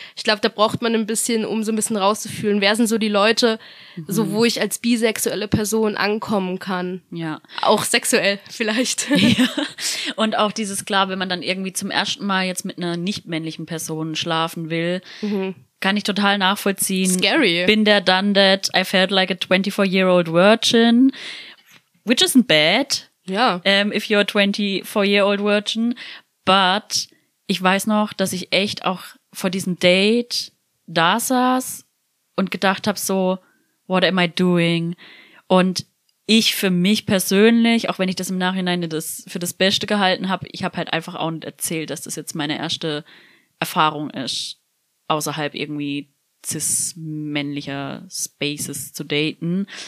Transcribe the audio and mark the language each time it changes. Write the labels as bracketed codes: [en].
[de] Ich glaube, da braucht man ein bisschen, um so ein bisschen rauszufühlen, wer sind so die Leute, so wo ich als bisexuelle Person ankommen kann. Ja. Auch sexuell vielleicht. Ja. Und auch dieses, klar, wenn man dann irgendwie zum ersten Mal jetzt mit einer nicht-männlichen Person schlafen will, kann ich total nachvollziehen. [en] Scary. Bin der done that, I felt like a 24-year-old virgin, which isn't bad. [de] Ja. [en] If you're a 24-year-old virgin. But [de] ich weiß noch, dass ich echt auch vor diesem Date da saß und gedacht habe so, [en] what am I doing? [de] Und ich für mich persönlich, auch wenn ich das im Nachhinein das für das Beste gehalten habe, ich habe halt einfach auch nicht erzählt, dass das jetzt meine erste Erfahrung ist, außerhalb irgendwie cis-männlicher Spaces zu daten.